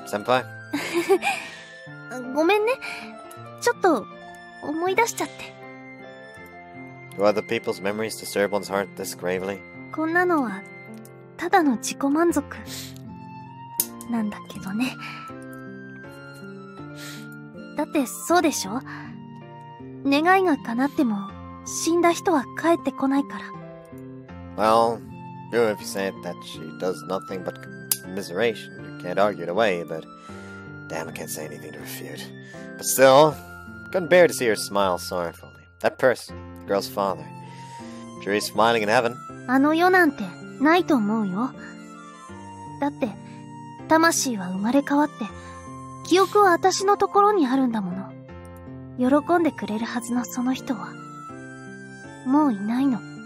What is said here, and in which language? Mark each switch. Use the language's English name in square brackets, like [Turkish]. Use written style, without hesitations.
[English] Senpai? [Japanese] ごめんね。ちょっと、思い出しちゃって。 [English] Do other people's memories disturb one's heart this gravely? [Japanese] こんなのは、ただの自己満足。なんだけどね。だってそうでしょ？願いが叶っても死んだ人は帰ってこないから。 [English] Well, true if you say that she does nothing but commiseration, you can't argue it away, but damn, I can't say anything to refute. But still, couldn't bear to see her smile sorrowfully. That person, the girl's father, sure he's smiling in heaven. [Japanese] あの世なんてないと思うよ。だって魂は生まれ変わって記憶は私のところにあるんだもの。喜んでくれるはずのその人は、もういないの。